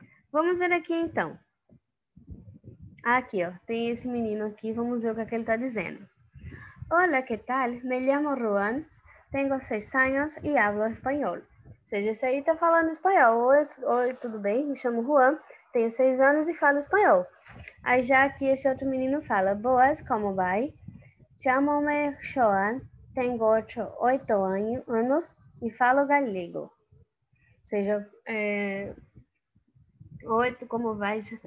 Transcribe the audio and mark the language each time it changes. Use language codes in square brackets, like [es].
[pt] Vamos ver aqui, então. Aqui, ó, tem esse menino aqui, vamos ver o que é que ele está dizendo. [es] Hola, ¿qué tal? Me llamo Juan, tengo 6 años y hablo español. [pt] Ou seja, esse aí está falando espanhol. Oi, tudo bem? Me chamo Juan. Tenho 6 anos e falo espanhol. Aí já aqui esse outro menino fala: Boas, como vai? Chamo-me Joan, tenho 8 anos e falo galego. Ou seja, oito, como vai?